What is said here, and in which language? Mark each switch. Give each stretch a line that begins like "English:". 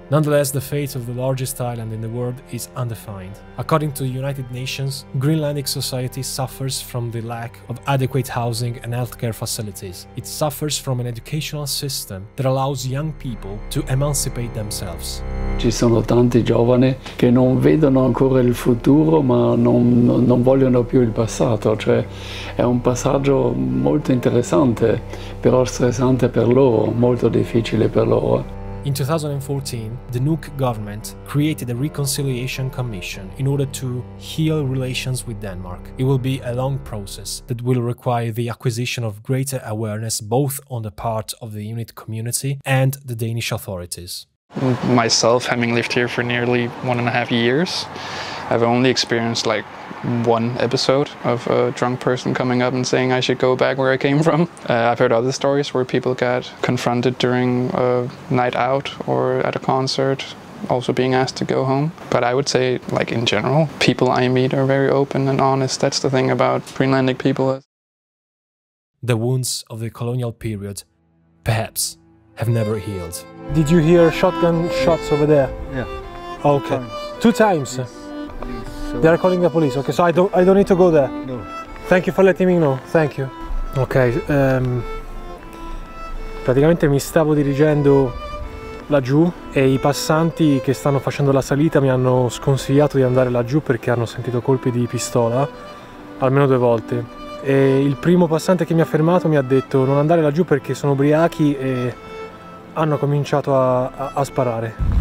English: Nonetheless, the fate of the largest island in the world is undefined. According to the United Nations, Greenlandic society suffers from the lack of adequate housing and healthcare facilities. It suffers from an educational system that allows young people to emancipate themselves.
Italian: Ci sono tanti giovani che non vedono ancora il futuro, ma non vogliono più il passato, cioè è un passato. Passaggio molto interessante, però stressante per loro, molto difficile per loro.
English: In 2014, the Nuuk government created a reconciliation commission in order to heal relations with Denmark. It will be a long process that will require the acquisition of greater awareness both on the part of the Inuit community and the Danish authorities. Myself, having lived here for nearly 1.5 years, I've only experienced like one episode of a drunk person coming up and saying I should go back where I came from. I've heard other stories where people got confronted during a night out or at a concert, also being asked to go home. But I would say, like in general, people I meet are very open and honest. That's the thing about Greenlandic people. The wounds of the colonial period, perhaps, have never healed. Did you hear shotgun shots over there? Yeah. Okay. Two times. Yes. So they are calling the police, okay, so I don't need to go there. No. Thank you for letting me know, thank you.
Italian: Ok, praticamente mi stavo dirigendo laggiù e i passanti che stanno facendo la salita mi hanno sconsigliato di andare laggiù perché hanno sentito colpi di pistola, almeno due volte. E il primo passante che mi ha fermato mi ha detto non andare laggiù perché sono ubriachi e hanno cominciato a sparare.